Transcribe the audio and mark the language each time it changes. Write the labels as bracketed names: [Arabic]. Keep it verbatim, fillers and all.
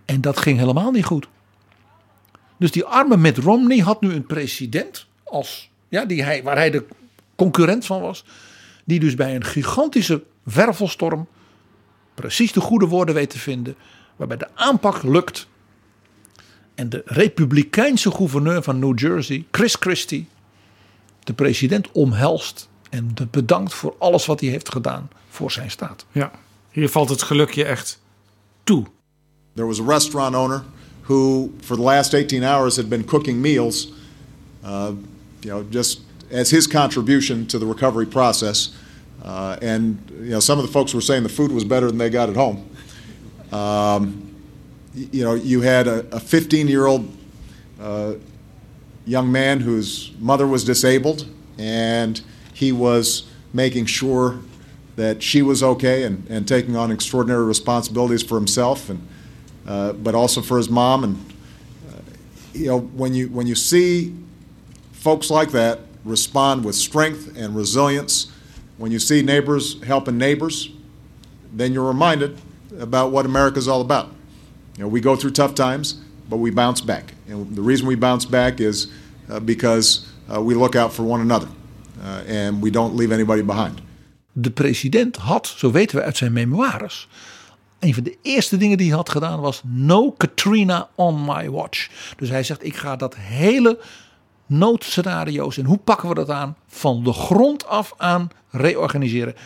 [Dutch] En dat ging helemaal niet goed. Dus die arme Mitt Romney had nu een president, als, ja, die hij, waar hij de concurrent van was, die dus bij een gigantische wervelstorm precies de goede woorden weet te vinden, waarbij de aanpak lukt. En de republikeinse gouverneur van New Jersey, Chris Christie, de president omhelst en bedankt voor alles wat hij heeft gedaan voor zijn staat. Ja, hier valt het gelukje echt toe. [English] There was a restaurant owner who for the last eighteen hours had been cooking meals, uh, you know, just as his contribution to the recovery process. Uh, and you know, some of the folks were saying the food was better than they got at home. Um, you know, you had a, a fifteen-year-old uh, young man whose mother was disabled, and he was making sure that she was okay and, and taking on extraordinary responsibilities for himself and uh, but also for his mom. And uh, you know, when you when you see folks like that respond with strength and resilience, when you see neighbors helping neighbors, then you're reminded about what America's all about. You know, we go through tough times, but we bounce back. And the reason we bounce back is uh, because uh, we look out for one another. Uh, and we don't leave anybody behind. [Dutch] De president had, zo weten we uit zijn memoires, een van de eerste dingen die hij had gedaan was [English] no Katrina on my watch. [Dutch] Dus hij zegt, ik ga dat hele noodscenario's en hoe pakken we dat aan, van de grond af aan reorganiseren.